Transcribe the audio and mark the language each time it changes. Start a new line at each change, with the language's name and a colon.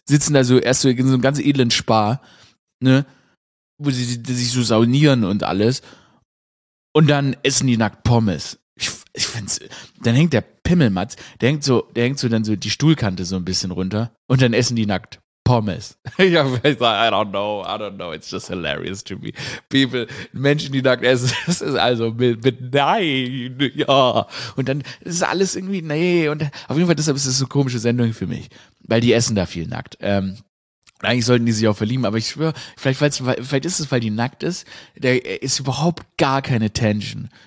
German: Sitzen da so erst so in so einem ganz edlen Spa, ne, wo sie sich so saunieren und alles. Und dann essen die nackt Pommes. Ich find's, dann hängt der Pimmelmatz, der hängt so dann so die Stuhlkante so ein bisschen runter und dann essen die nackt Pommes.
English: I don't know, it's just hilarious to me.
German: Menschen, die nackt essen, das ist also mit nein, ja. Und dann ist alles irgendwie, nee. Und auf jeden Fall, deshalb ist es eine komische Sendung für mich, weil die essen da viel nackt. Eigentlich sollten die sich auch verlieben, aber ich schwöre, vielleicht ist es, weil die nackt ist, da ist überhaupt gar keine Tension.